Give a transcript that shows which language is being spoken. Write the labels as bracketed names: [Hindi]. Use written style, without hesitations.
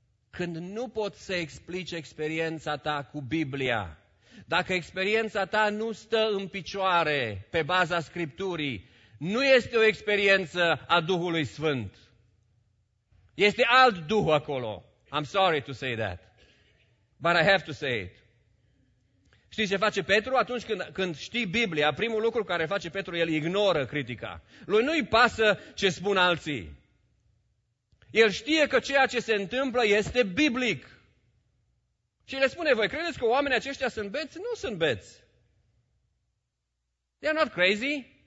[Romanian] Când nu poți să explici experiența ta cu Biblia, dacă experiența ta nu stă în picioare pe baza Scripturii, nu este o experiență a Duhului Sfânt. Este alt Duh acolo. [English] I'm sorry to say that, but I have to say it. [Romanian] Știi ce face Petru? Atunci când știi Biblia, primul lucru care face Petru, el ignoră critica. Lui nu-i pasă ce spun alții. El știe că ceea ce se întâmplă este biblic. Și le spune, voi credeți că oamenii aceștia sunt beți? Nu sunt beți. [English] They are not crazy.